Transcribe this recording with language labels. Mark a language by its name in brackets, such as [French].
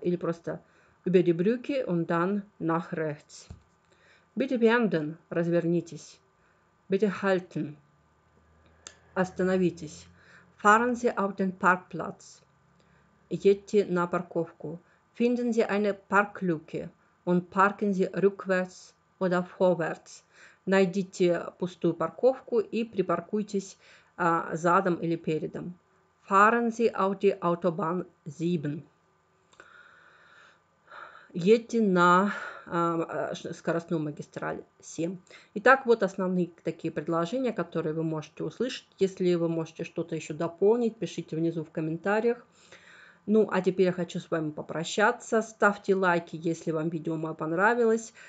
[Russian] Или просто [German] über die Brücke und dann nach rechts. Bitte wenden, [Russian] развернитесь. [German] Bitte halten, [Russian] остановитесь. [German] Fahren Sie auf den Parkplatz. [Russian] Едьте на парковку. [German] Finden Sie eine Parklücke und parken Sie rückwärts oder vorwärts. [Russian] Найдите пустую парковку и припаркуйтесь задом или передом. [German] Fahren Sie auf die Autobahn 7. [Russian] Едьте на скоростную магистраль 7. Итак, вот основные такие предложения, которые вы можете услышать. Если вы можете что-то еще дополнить, пишите внизу в комментариях. Ну, а теперь я хочу с вами попрощаться. Ставьте лайки, если вам видео мое понравилось.